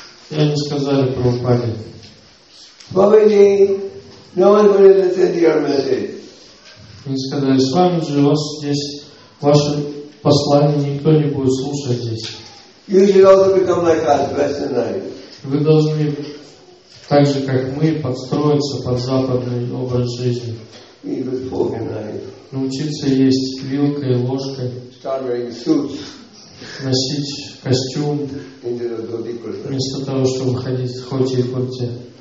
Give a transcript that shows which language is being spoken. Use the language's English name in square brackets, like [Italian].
[Russian] И они сказали Прабхупаде: [English] Бабаджи, no one will listen to your message. [Russian] Они сказали: с вами же у вас здесь ваше послание никто не будет слушать здесь. [English] You should also become like us, Western life. [Russian] Вы должны так же, как мы, подстроиться под западный образ жизни. Научиться есть вилкой, ложкой. [English] Start wearing suits. [Russian] Носить костюм вместо того, чтобы ходить в хоти и курте.